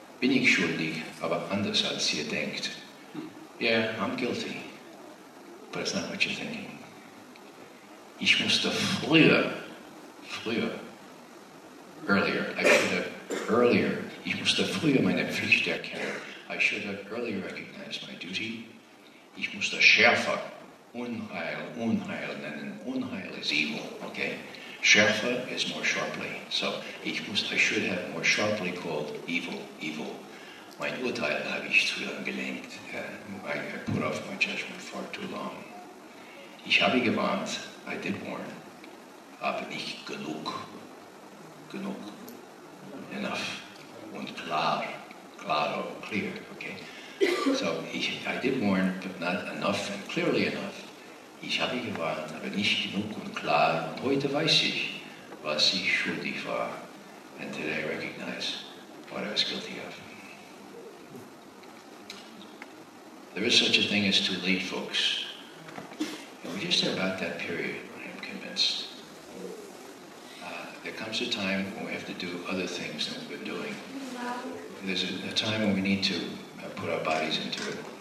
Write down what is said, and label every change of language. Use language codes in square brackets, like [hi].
[de] Bin ich schuldig, aber anders als ihr denkt. [en] Yeah, I'm guilty, but it's not what you're thinking. [de] Ich musste früher, [en] earlier, I could have earlier. [de] Ich musste früher meine Pflicht erkennen. [en] I should have earlier recognized my duty. [de] Ich musste schärfer Unheil, Unheil nennen. [en] Unheil is evil, okay? Schärfer is more sharply. So, I should have more sharply called evil, evil. [de] Mein Urteil habe ich zu lang gelenkt. [en] I put off my judgment far too long. [de] Ich habe gewarnt, [en] I did warn, [de] aber nicht genug. Genug. [en] Enough. [de] Und klar. [en] Claro, clear, okay? So, I did warn, but not enough and clearly enough. [de] Ich habe gewarnt, aber nicht genug und klar. Und heute weiß ich, was ich schuldig war. [en] And today I recognize what I was guilty of. There is such a thing as too late, folks. And we're just about that period, I'm convinced. There comes a time when we have to do other things than we've been doing. There's a time when we need to put our bodies into it.